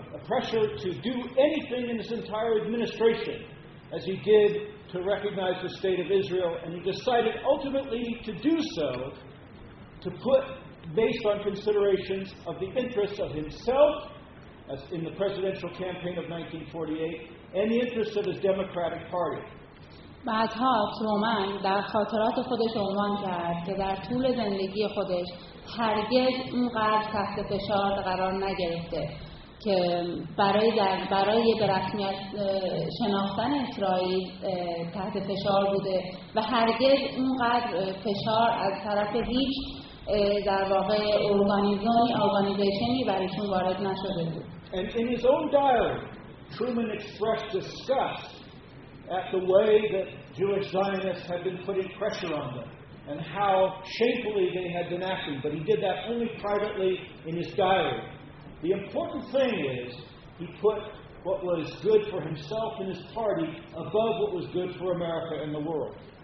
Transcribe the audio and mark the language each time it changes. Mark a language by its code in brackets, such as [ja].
[en] pressure to do anything in his entire administration as he did to recognize the state of Israel, and he decided ultimately to do so to put based on considerations of the interests of himself as in the presidential campaign of 1948 and the interests of his Democratic Party. [fa] بعدها ترومن در خاطرات خودش عنوان کرد که در طول زندگی خودش هرگز اونقدر تحت فشار قرار نگرفته که برای به رسمیت شناختن اسرائیل تحت فشار بوده و هرگز اونقدر فشار از طرف هیچ در واقع ارگانیزیشنی برایشون وارد نشده بود. [en] And in his own diary, Truman expressed disgust at the way that Jewish Zionists had been putting pressure on them and how shamefully they had been acting, but he did that only privately in his diary. The important thing is he put what was good for himself and his party above what was good for America and the world.